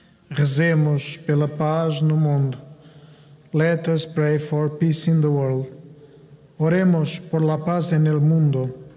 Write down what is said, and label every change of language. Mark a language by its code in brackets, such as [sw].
[pt] Rezemos pela paz no mundo. [en] Let us pray for peace in the world. [es] Oremos por la paz en el mundo.